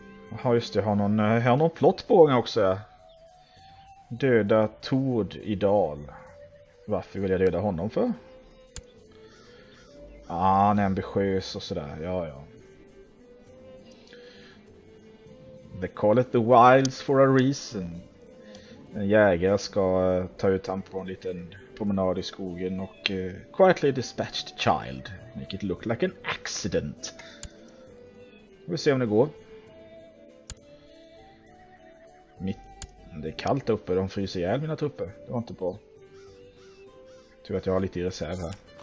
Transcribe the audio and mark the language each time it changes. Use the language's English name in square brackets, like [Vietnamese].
[Swedish] Jaha, just det. Jag har någon plott på gång också. Döda Tord i dal. Varför vill jag döda honom för? Ah, han är ambitiös och sådär. Ja, ja. [English] They call it the wilds for a reason. [Swedish] En jägare ska ta ut han på en liten promenad i skogen och [English] quietly dispatched child. Make it look like an accident. [Swedish] Vi får se om det går. Det är kallt uppe, de fryser ihjäl mina trupper. Det var inte bra. Tur att jag har lite i reserv här.